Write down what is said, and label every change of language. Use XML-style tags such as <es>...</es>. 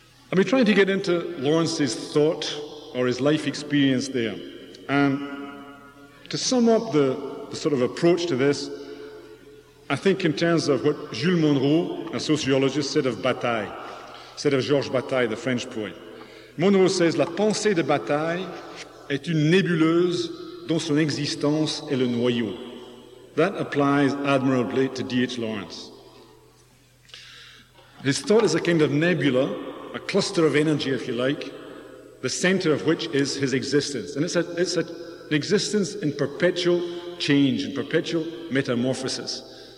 <en>I've been trying to get into Lawrence's thought or his life experience there. And to sum up the sort of approach to this, I think in terms of what Jules Monroe, a sociologist, said of Georges Bataille, the French poet.</en> <fr>Monroe says, la pensée de Bataille est une nébuleuse dont son existence est le noyau.</fr> <en>That applies admirably to D.H. Lawrence. His thought is a kind of nebula a cluster of energy, if you like, the center of which is his existence. And it's an existence in perpetual change, in perpetual metamorphosis.</en>